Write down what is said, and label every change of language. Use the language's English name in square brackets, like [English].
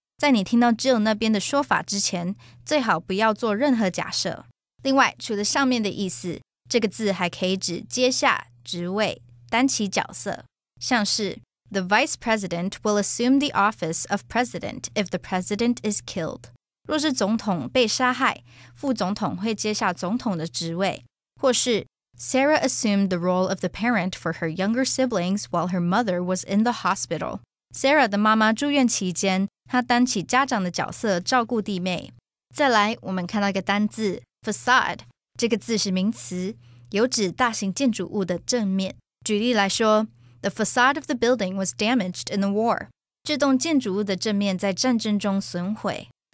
[Chinese] 在你听到 Jill 那边的说法之前，最好不要做任何假设。另外，除了上面的意思，这个字还可以指阶下、职位、担起角色。像是 [English] The vice president will assume the office of president if the president is killed. [Chinese] 若是总统被杀害，副总统会接下总统的职位。或是 [English] Sarah assumed the role of the parent for her younger siblings while her mother was in the hospital. [Chinese] Sarah 的妈妈住院期间，她担起家长的角色照顾弟妹。再来，我们看到一个单字 facade， 这个字是名词，有指大型建筑物的正面。举例来说 [English] ，The facade of the building was damaged in the war. [Chinese] 这栋建筑物的正面在战争中损毁。